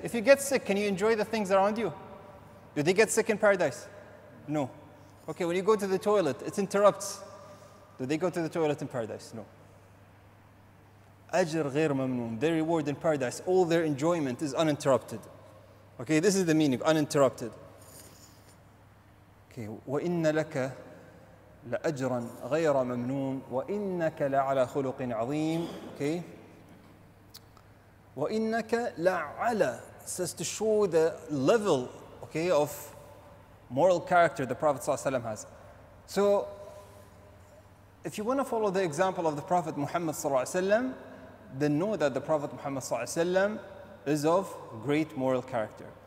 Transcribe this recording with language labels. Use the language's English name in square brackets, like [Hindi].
[English] If you get sick, can you enjoy the things around you? Do they get sick in paradise? No. Okay, when you go to the toilet, it interrupts. Do they go to the toilet in paradise? No. [Arabic] أجر غير ممنون. [English] Their reward in paradise, all their enjoyment is uninterrupted. Okay, this is the meaning, uninterrupted. Okay, [Arabic] وَإِنَّ لَكَ لَأَجْرًا غَيْرَ مَمْنُونَ وَإِنَّكَ لَعَلَى خُلُقٍ عَظِيمٍ. [English] Okay. [Arabic] وَإِنَّكَ لَعَلَى [English] says to show the level, okay, of moral character the Prophet ﷺ has. So, if you want to follow the example of the Prophet Muhammad ﷺ, then know that the Prophet Muhammad ﷺ is of great moral character.